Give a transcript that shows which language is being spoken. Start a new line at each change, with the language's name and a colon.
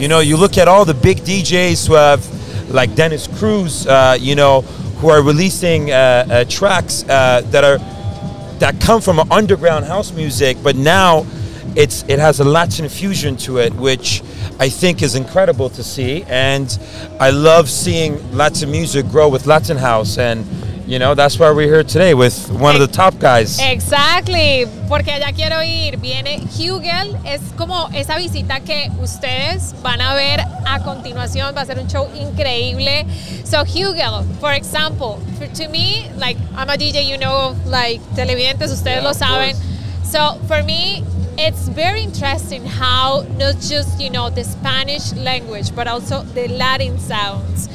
English: You know, you look at all the big DJs who have, like Dennis Cruz, you know, who are releasing tracks that come from underground house music, but now it has a Latin fusion to it, which I think is incredible to see. And I love seeing Latin music grow with Latin house. And, you know, that's why we're here today with one of the top guys.
Spanish: Exactly. Porque allá quiero ir. Viene Hugel. Es como esa visita que ustedes van a ver a continuación. Va a ser un show increíble.
English: So, Hugel, for example, to me, like, I'm a DJ, you know, like,
Spanish: televidentes, ustedes lo saben.
English: Course. So, for me, It's very interesting how not just, you know, the Spanish language, but also the Latin sounds.